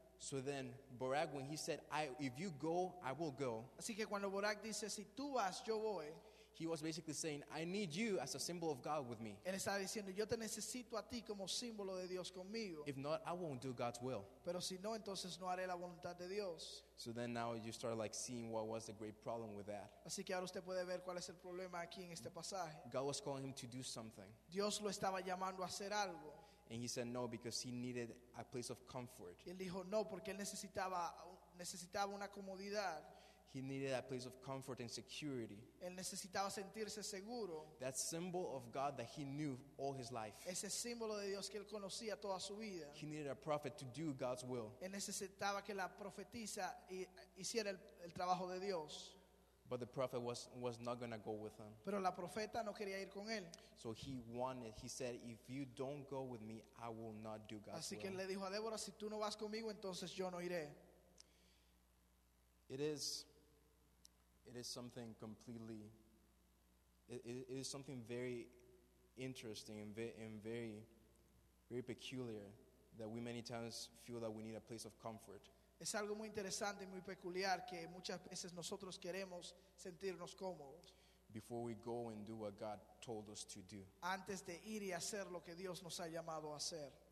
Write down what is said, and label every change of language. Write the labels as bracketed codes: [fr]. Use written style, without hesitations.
[en] So then, Barak, when he said, if you go, I will go. [es] Así que cuando Barak dice, si tú vas, yo voy. [en] He was basically saying, I need you as a symbol of God with me. [es] Él estaba diciendo, yo te necesito a ti como símbolo de Dios conmigo. [en] If not, I won't do God's will. [es] Pero si no, entonces no haré la voluntad de Dios. [en] So then now you start like seeing what was the great problem with that. [es] Así que ahora usted puede ver cuál es el problema aquí en este pasaje. [en] God was calling him to do something. [es] Dios lo estaba llamando a hacer algo. [en] And he said no because he needed a place of comfort. [es] Él dijo no porque él necesitaba una comodidad. [en] He needed a place of comfort and security. [es] Él necesitaba sentirse seguro. [en] That symbol of God that he knew all his life. [es] Ese símbolo de Dios que él conocía toda su vida. [en] He needed a prophet to do God's will. [es] Él necesitaba que la profetisa hiciera el trabajo de Dios. [en] But the prophet was not going to go with him. [es] Pero la profeta no quería ir con él. [en] So he wanted, he said, if you don't go with me, I will not do God's will. [es] Así que él le dijo a Débora, si tú no vas conmigo, entonces yo no iré. [en] It is something completely, it is something very interesting and very, very peculiar that we many times feel that we need a place of comfort. [es] Es algo muy interesante y muy peculiar que muchas veces nosotros queremos sentirnos cómodos. [en] Before we go and do what God told us to do. [es] Antes de ir y hacer lo que Dios nos ha llamado a hacer.